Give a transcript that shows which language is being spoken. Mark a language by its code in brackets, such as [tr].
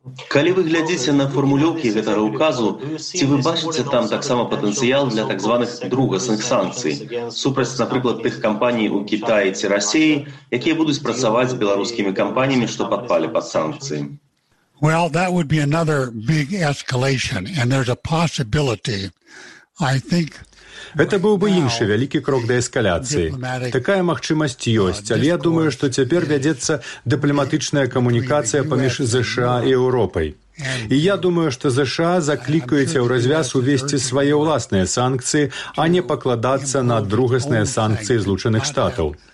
[be] Калі вы глядзіце на фармулёўкі гэтага ўказу, ці вы бачыце там таксама патэнцыял для так званых другасных санкцый, супраць, напрыклад, тых кампаній у Кітаі ці Расіі, якія будуць працаваць з беларускімі кампаніямі, што падпалі пад санкцыі? [en] Well, that would be another big escalation, and there's a possibility, I think. [be] Гэта быў бы іншы вялікі крок да эскаляцыі. Такая магчымасць ёсць, але я думаю, што цяпер вядзецца дыпламатычная камунікацыя паміж ЗША і Еўропай. І я думаю, што ЗША заклікаюць у развяз увесці свае ўласныя санкцыі, а не пакладацца на другасныя санкцыі Злучаных Штатаў.